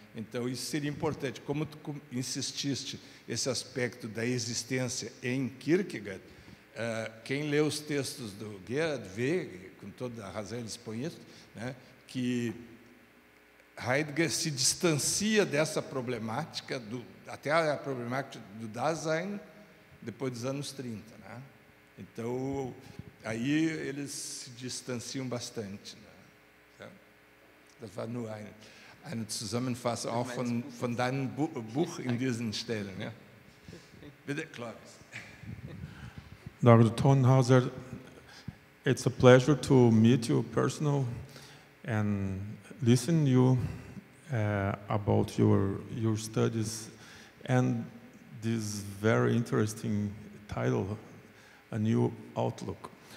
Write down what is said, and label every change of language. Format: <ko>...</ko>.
<pt>Então, isso seria importante. Como tu insististe esse aspecto da existência em Kierkegaard, quem lê os textos do Gerhard vê, com toda a razão ele expõe isso, né, que Heidegger se distancia dessa problemática, até a problemática do Dasein, depois dos anos 30. Né? Então, aí eles se distanciam bastante. Né?</pt> <de>Das war nur eine Zusammenfassung auch von deinem Buch in diesen Stellen. Ja? Bitte, Clovis.</de> <en>Dr. Thonhauser, it's a pleasure to meet you personal and listen to you about your studies and this very interesting title, A New Outlook.</en>